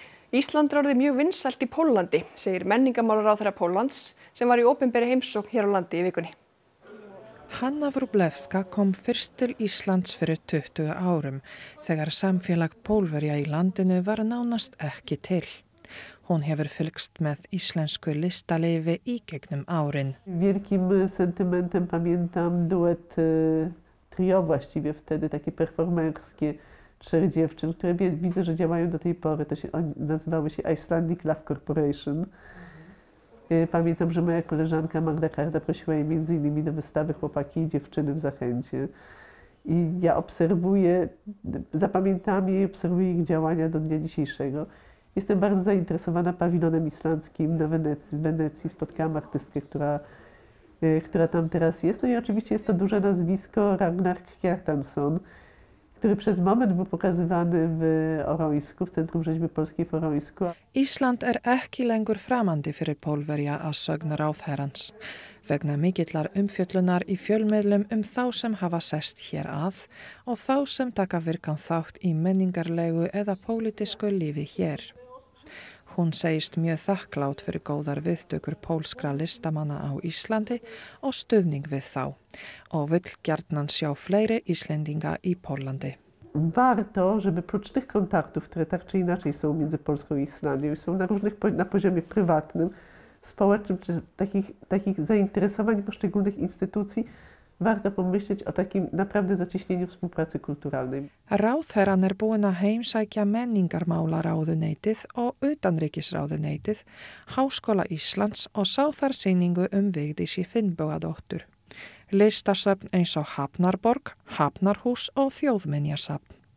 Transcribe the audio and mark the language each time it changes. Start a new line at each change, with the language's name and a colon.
Icelandic: Ísland er orðið mjög vinsælt í Póllandi, segir menningamálaráðherra Póllands sem var í opinberi heimsókn hér á landi í vikunni. Hanna Wróblewska kom fyrst til Íslands fyrir 20 árum þegar samfélag Pólverja í landinu var nánast ekki til. Hún hefur fylgst með íslensku listalífi í gegnum árin.
Polish: Virkim sentimentem pamiętam duet trio właściwie wtedy takie performerskie trzech dziewczyn, które widzę, że działają do tej pory. To się oni nazywały się Icelandic Love Corporation. Pamiętam, że moja koleżanka Magda Kar zaprosiła je między innymi do wystawy Chłopaki i dziewczyny w Zachęcie. I ja obserwuję, zapamiętam je i obserwuję ich działania do dnia dzisiejszego. Jestem bardzo zainteresowana pawilonem islandzkim na Wenecji. W Wenecji spotkałam artystkę, która tam teraz jest. No i oczywiście jest to duże nazwisko Ragnar Kjartansson, który przez moment był pokazywany w Orońsku, w Centrum Rzeźby Polskiej w Orońsku.
Icelandic: Ísland er ekki lengur framandi fyrir Pólverja að sögn ráðherrans. Vegna mikillar umfjöllunar í fjölmiðlum þá sem hafa sest hér að og þá sem taka virkan þátt í menningarlegu eða pólitísku lífi hér. Hún segist mjög þakklátt fyrir góðar viðtökur pólskra listamanna á Íslandi og stuðning við þá og vill gjarnan sjá fleiri Íslendinga í Póllandi.
Polish: Warto, żeby prócz tych kontaktów, które tak czy inaczej są między Polską i Islandią i są na różnych na poziomie prywatnym, społecznym czy takich zainteresowań poszczególnych instytucji, warto pomyśleć o takim naprawdę zacieśnieniu współpracy kulturalnej.
Icelandic: Ráðherrann er búinn að heimsækja menningarmálaráðuneytið og utanríkisráðuneytið, Háskóla Íslands og sá þar sýningu Vigdís í Finnbogadóttur. Listasöfn eins og Hafnarborg, Hafnarhús og Þjóðminjasafn.